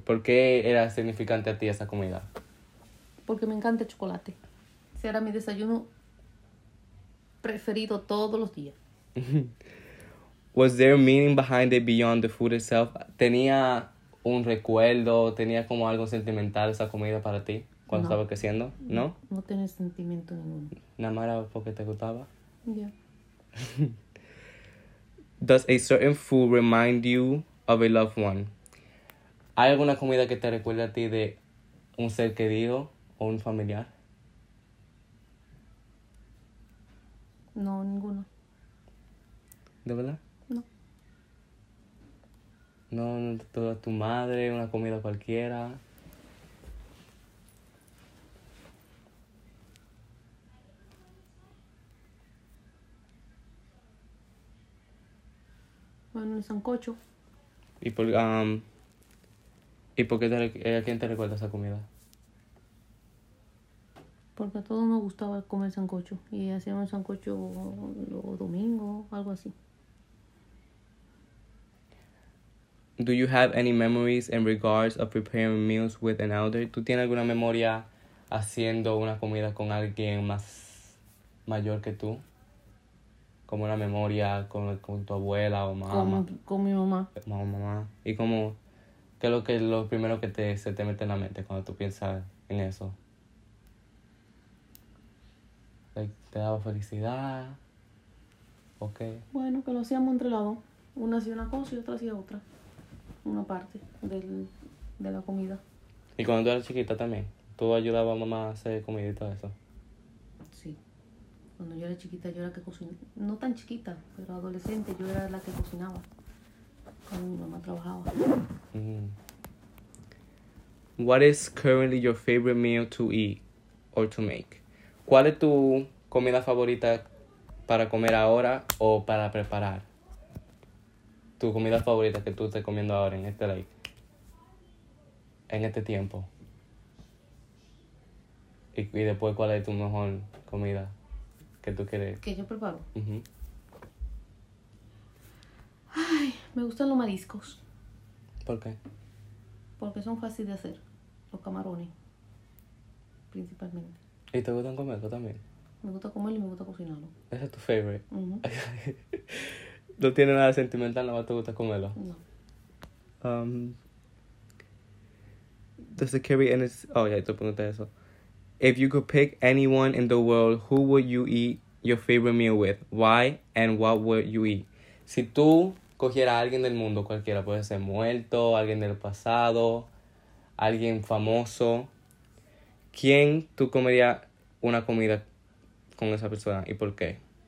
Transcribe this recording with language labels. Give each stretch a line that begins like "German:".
Spanish: ¿Por qué era significante a ti esa comida? Porque me encanta el chocolate. Ese era mi desayuno preferido todos los días.
English: Was there meaning behind it beyond the food itself?
Spanish: ¿Tenía un recuerdo? ¿Tenía como algo sentimental esa comida para ti cuando estaba creciendo? ¿No? No tenía sentimiento ninguno. ¿Nada más porque te gustaba?
English: Yeah. Does a certain food remind you of a loved one?
Spanish: ¿Hay alguna comida que te recuerda a ti de un ser querido o un familiar? No, ninguno. ¿De verdad? No. No, toda tu madre, una comida cualquiera. Bueno, el sancocho. ¿Y a quién te recuerda esa comida? Porque a todos nos gustaba comer sancocho. Y hacíamos sancocho los domingos, algo así.
English: Do you have any memories in regards of preparing meals with an elder?
Spanish: ¿Tú tienes alguna memoria haciendo una comida con alguien más mayor que tú? ¿Como una memoria con tu abuela o mamá? Con mi mamá. Mamá. ¿Y cómo? ¿Qué es lo primero que se te mete en la mente cuando tú piensas en eso? ¿Te daba felicidad? ¿O qué? Bueno, que lo hacíamos entre lados. Una hacía una cosa y otra hacía otra. Una parte de la comida. ¿Y cuando tú eras chiquita también? ¿Tú ayudabas a mamá a hacer comida y todo eso? Sí. Cuando yo era chiquita, yo era la que cocinaba. No tan chiquita, pero adolescente, yo era la que cocinaba. Cuando mi mamá trabajaba. Mm.
English: What is currently your favorite meal to eat or to make?
Spanish: ¿Cuál es tu comida favorita para comer ahora o para preparar? ¿Tu comida favorita que tú estés comiendo ahora en este
English: lake?
Spanish: En este tiempo. Y después, ¿cuál es tu mejor comida que tú quieres? Que yo preparo. Uh-huh. Ay, me gustan los mariscos. ¿Por qué? Porque son fáciles de hacer. Los camarones, principalmente. ¿Y te gustan comerlo también? Me gusta comerlo y me gusta cocinarlo. ¿Ese es tu
English: favorite? Uh-huh.
Spanish: No tiene nada sentimental, nada más te gusta comerlo. No.
English: Does it carry any... Oh, yeah,
Spanish: te pregunté eso.
English: If you could pick anyone in the world, who would you eat your favorite meal with? Why and what would you eat?
Spanish: Si tú cogieras a alguien del mundo, cualquiera, puede ser muerto, alguien del pasado, alguien famoso, ¿quién tú comerías una comida con esa persona y por qué?